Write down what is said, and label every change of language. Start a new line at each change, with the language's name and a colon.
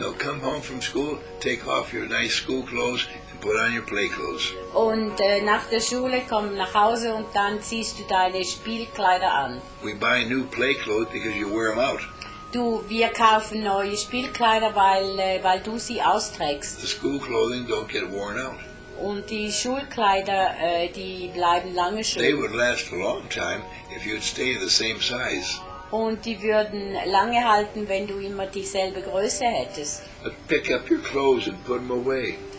English: No, come home from school, take off your nice school clothes and put on your play clothes.
German: Und nach der Schule komm nach Hause und dann ziehst du deine Spielkleider an.
English: We buy new play clothes because you wear them out.
German: Wir kaufen neue Spielkleider, weil du sie austrägst.
English: The school clothing don't get worn out.
German: Und die Schulkleider, die bleiben lange schön.
English: They would last a long time if you'd stay the same size.
German: Und die würden lange halten, wenn du immer dieselbe Größe hättest.
English: But pick up your clothes and put them away.